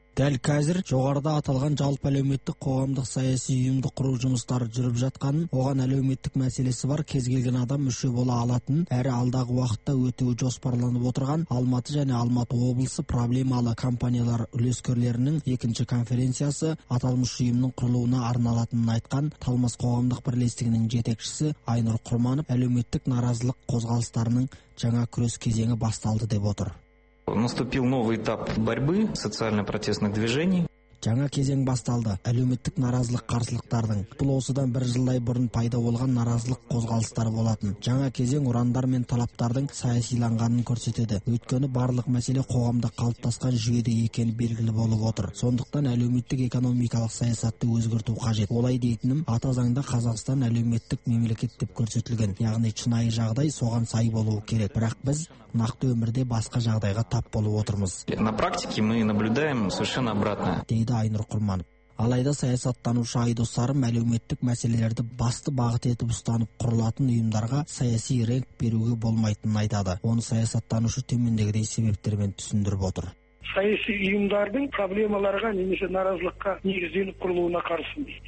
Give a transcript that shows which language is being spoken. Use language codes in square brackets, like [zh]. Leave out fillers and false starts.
[kk] Дәл қазір жоғарыда аталған жалпы әлеуметтік қоғамдық саяси ұйымды құру жұмыстары жүріп жатқанын, оған әлеуметтік мәселесі бар кез келген адам мүше бола алатынын, әрі алдағы уақытта өтуі жоспарланып отырған Алматы және Алматы облысы проблемалы компаниялар үлескерлерінің екінші конференциясы аталмыш ұйымның құрылуына арналатынын айтқан Талмас қоғамдық бірлестігінің жетекшісі Айнұр Құрманов әлеуметтік наразылық қозғалыстарының жаңа күрес кезеңі басталды деп отыр. [ru] Наступил новый этап борьбы социально-протестных движений. [kk] Жаңа кезең басталды. Әлеуметтік наразылық қарсылықтардың бұл осыдан бір жылдай бұрын пайда болған наразылық қозғалыстары болатын. Жаңа кезең ұрандар мен талаптардың саясиланғанын көрсетеді. Өйткені барлық мәселе қоғамда қалыптасқан жүйеде екені белгілі болып отыр. Сондықтан әлеуметтік экономикалық саясатты өзгерту қажет. Олай дейтінім, ата заңда Қазақстан әлеуметтік мемлекет деп көрсетілген. Яғни шынайы жағдай соған сай болуы керек. Бірақ біз нақты өмірде басқа жағдайға тап болып отырмыз. [ru] На практике мы наблюдаем совершенно обратное. [kk] Дейді Айнұр Құрманов. Алайда саясаттанушы Айдос Сарым әлеуметтік мәселелерді басты бағыт етіп ұстанып құрылатын ұйымдарға саяси рәңк беруге болмайтынын айтады. Оны саясаттанушы төмендегідей себептермен түсіндіріп отыр. Саяси ұйымдардың проблемаларға немесе наразылыққа негізделіп құрылуына қарсымыз.